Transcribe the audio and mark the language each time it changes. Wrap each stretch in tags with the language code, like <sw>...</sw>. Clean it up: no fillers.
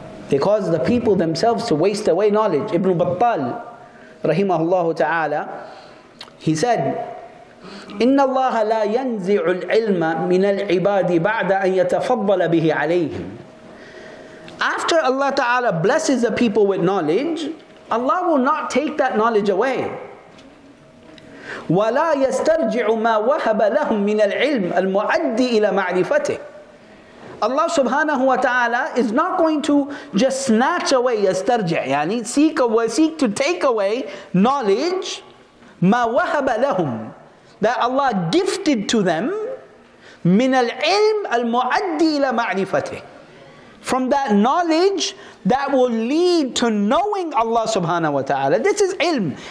<en>They cause the people themselves to waste away knowledge. Ibn Battal rahimahullah ta'ala, he said,</en> <ar>إِنَّ اللَّهَ لَا يَنْزِعُ الْعِلْمَ مِنَ الْعِبَادِ بَعْدَ أَن يَتَفَضَّلَ بِهِ عَلَيْهِمْ.</ar> <en>After Allah Ta'ala blesses the people with knowledge, Allah will not take that knowledge away.</en> <ar>وَلَا يَسْتَرْجِعُ مَا وَهَبَ لَهُمْ مِنَ الْعِلْمِ الْمُعَدِّ إِلَى مَعْرِفَتِهِ.</ar> <en>Allah Subhanahu wa Ta'ala is not going to just snatch away, يَسْتَرْجِعُ, seek to take away knowledge,</en> <ar>مَا وَهَبَ لَهُمْ,</ar> <en>that Allah gifted to them,</en> <ar>min al-ilm al-mu'addi ila ma'rifati,</ar> <en>from that knowledge that will lead to knowing Allah subhanahu wa ta'ala. This is ilm.</en>